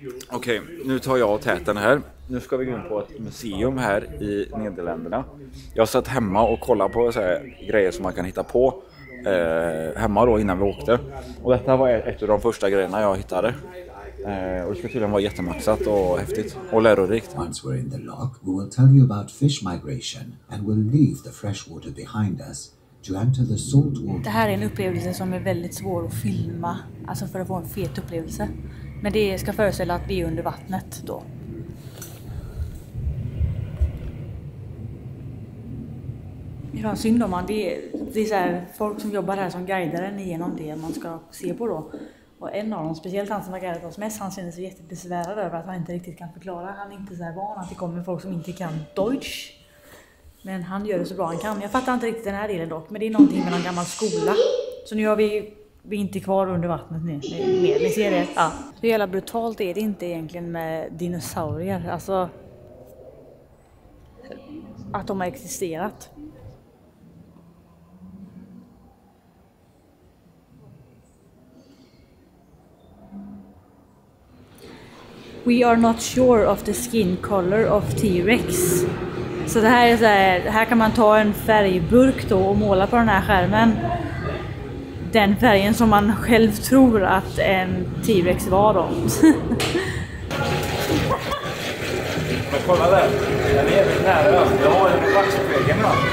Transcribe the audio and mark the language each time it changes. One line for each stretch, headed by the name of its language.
Swedish: Okej, nu tar jag täten här. Nu ska vi gå in på ett museum här i Nederländerna. Jag har satt hemma och kollat på så här grejer som man kan hitta på. Hemma då innan vi åkte. Och detta var ett av de första grejerna jag hittade. Och det ska tydligen vara jättemaxat och häftigt och lärorikt.
English: Once we're in the lock, we will tell you about fish migration and we'll leave the fresh water behind us to enter the salt water.
Swedish: Det här är en upplevelse som är väldigt svår att filma, alltså för att få en fet upplevelse. Men det ska föreställa att vi är under vattnet då. Ja, synd om man, det är så här, folk som jobbar här som guidar en igenom det man ska se på då. Och en av dem, speciellt han som har guidat oss mest, han känner sig jättebesvärad över att han inte riktigt kan förklara. Han är inte så här van att det kommer folk som inte kan Deutsch. Men han gör det så bra han kan. Jag fattar inte riktigt den här delen dock, men det är någonting med en gammal skola. Så nu har vi är inte kvar under vattnet nu. Ni ser det? Ja. Så jävla brutalt är det inte egentligen med dinosaurier. Alltså, att de har existerat.
English: We are not sure of the skin color of T-Rex.
Swedish: Så det här är så här, här kan man ta en färgburk då och måla på den här skärmen. Den färgen som man själv tror att en T-Rex var då. Men kolla där, den är väldigt nära. Jag har en vaxpegeln då.